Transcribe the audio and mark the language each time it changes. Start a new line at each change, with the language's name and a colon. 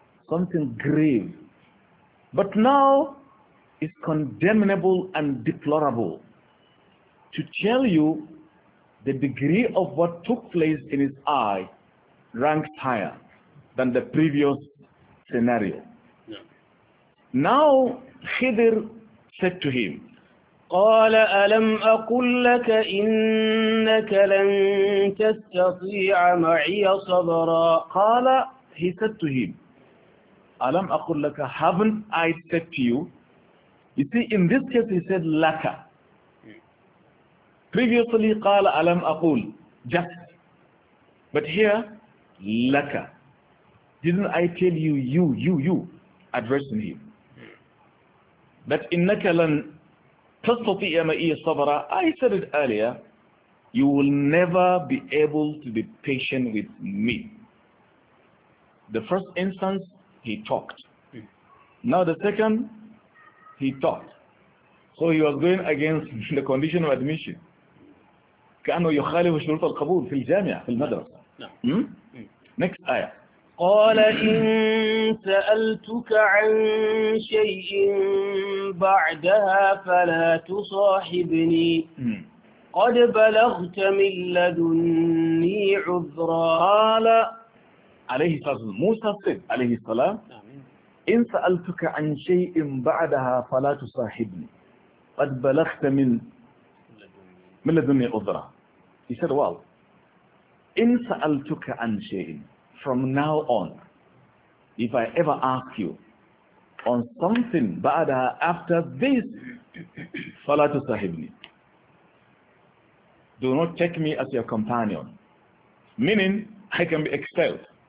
English: Something grave. But now, is condemnable and deplorable. To tell you the degree of what took place in his eye ranks higher than the previous scenario. Yeah. Now Khidr said to him,
Arabic: قال ألم أقل لك إنك لن تستطيع معي صبرا. قال,
English: he said to him,
Arabic: ألم أقل لك,
English: haven't I said to you? You see, in this case, he said, laka. Previously,
Arabic: قال ألم أقول, just.
English: But here, laka. Didn't I tell you, you, addressing him?
Arabic: That إنك لن تستطيع معي صبرا.
English: I said it earlier, you will never be able to be patient with me. The first instance, he talked. Now the second, he thought. So he was going against the condition of admission.
Arabic: كأنه يخالف شروط القبول في الجامعة في المدرسة.
English: Next آية.
Arabic: قال إن سألتك عن شيء بعدها فلا تصاحبني. قد بلغت من لدني عذرا. قال عليه الصلاة والسلام, موسى الصيد عليه السلام, إن سألتك عن شيء بعدها فلا تصاحبني قد بلغت من لدني عذرا.
English: He said, well,
Arabic: إن سألتك عن شيء,
English: from now on, if I ever ask you on something
Arabic: بعدها,
English: after this,
Arabic: فلا تصاحبني,
English: do not take me as your companion, meaning I can be expelled.